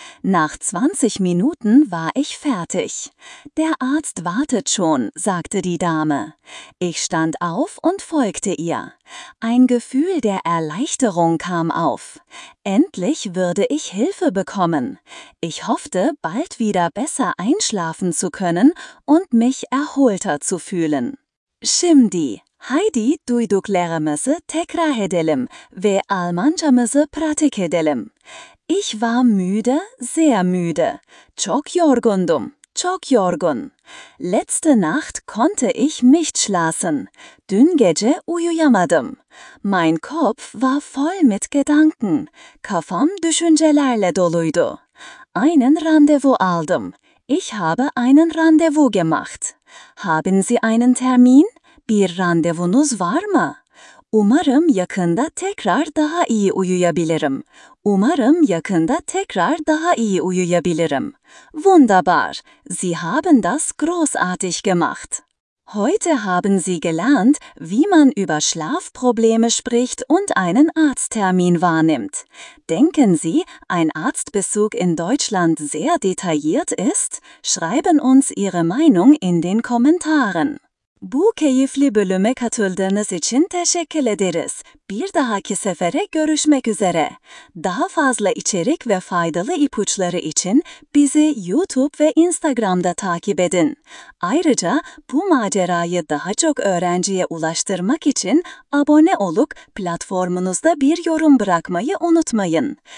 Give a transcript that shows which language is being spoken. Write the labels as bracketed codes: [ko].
[de] Nach 20 Minuten war ich fertig. Der Arzt wartet schon, sagte die Dame. Ich stand auf und folgte ihr. Ein Gefühl der Erleichterung kam auf. Endlich würde ich Hilfe bekommen. Ich hoffte, bald wieder besser einschlafen zu können und mich erholter zu fühlen. [tr] Shimdi, Heidi duyduk lerimizi tekrar edelim ve Almancamızı pratik edelim. [de] Ich war müde, sehr müde. [tr] Çok yorgundum, çok yorgun. [de] Letzte Nacht konnte ich nicht schlafen. [tr] Dün gece uyuyamadım. [de] Mein Kopf war voll mit Gedanken. [tr] Kafam düşüncelerle doluydu. [de] Einen [tr] Randevu aldım. [de] Ich habe einen Randevu gemacht. Haben Sie einen Termin? [tr] Bir randevunuz var mı? Umarım yakında tekrar daha iyi uyuyabilirim. Umarım yakında tekrar daha iyi uyuyabilirim. [de] Wunderbar. Sie haben das großartig gemacht. Heute haben Sie gelernt, wie man über Schlafprobleme spricht und einen Arzttermin wahrnimmt. Denken Sie, ein Arztbesuch in Deutschland sehr detailliert ist? Schreiben uns Ihre Meinung in den Kommentaren. [tr] Bu keyifli bölüme katıldığınız için teşekkür ederiz. Bir dahaki sefere görüşmek üzere. Daha fazla içerik ve faydalı ipuçları için bizi YouTube ve Instagram'da takip edin. Ayrıca bu macerayı daha çok öğrenciye ulaştırmak için abone olup platformunuzda bir yorum bırakmayı unutmayın.